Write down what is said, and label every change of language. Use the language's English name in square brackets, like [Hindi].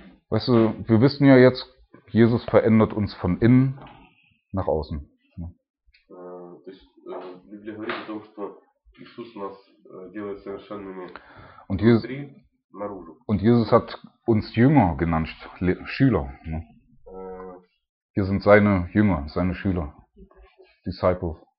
[German] Weißt du, wir wissen ja jetzt, Jesus verändert uns von innen nach außen. [Russian] То есть, Библия говорит о том, что Иисус нас делает совершенными внутри, наружу. [German] Und Jesus hat uns Jünger genannt, Schüler. Ne? Wir sind seine Jünger, seine Schüler. Disciples.